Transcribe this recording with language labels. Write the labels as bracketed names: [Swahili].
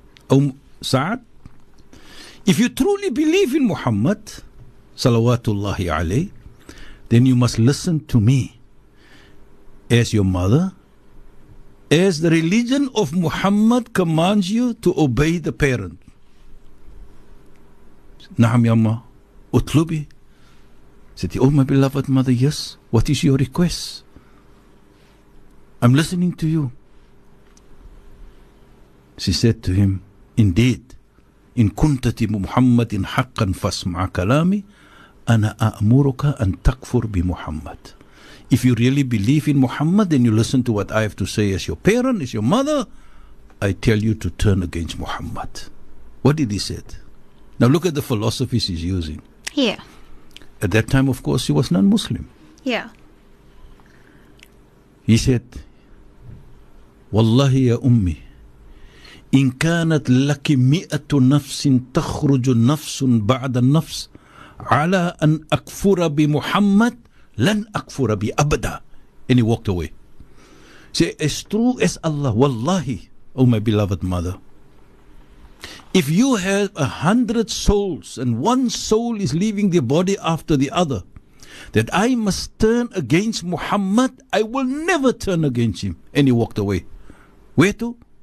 [English] Oh, Sa'ad, if you truly believe in Muhammad, [Arabic] salawatullahi alayhi, [English] then you must listen to me as your mother, as the religion of Muhammad commands you to obey the parent. [Arabic] Naam yamma, utlubi. [English] Said, oh my beloved mother, yes, what is your request? I'm listening to you. She said to him, indeed, [Arabic] إن كنت بمحمد حقا فاسمع كلامي أنا أأمرك أن تكفر بمحمد. [English] If you really believe in Muhammad, then you listen to what I have to say as your parent, as your mother, I tell you to turn against Muhammad. What did he say? Now look at the philosophies he's using. Yeah. At that time, of course, he was non-Muslim. Yeah. He said, [Arabic] والله يا أمي إن كانت لك مئة نفس تخرج نفس بعد النفس على أن أكفر بمحمد لن أكفر بأبدا. [English] And he walked away. Say, as true as Allah, wallahi, oh my beloved mother, if you have 100 souls and one soul is leaving the body after the other, that I must turn against Muhammad, I will never turn against him. And he walked away. Where to?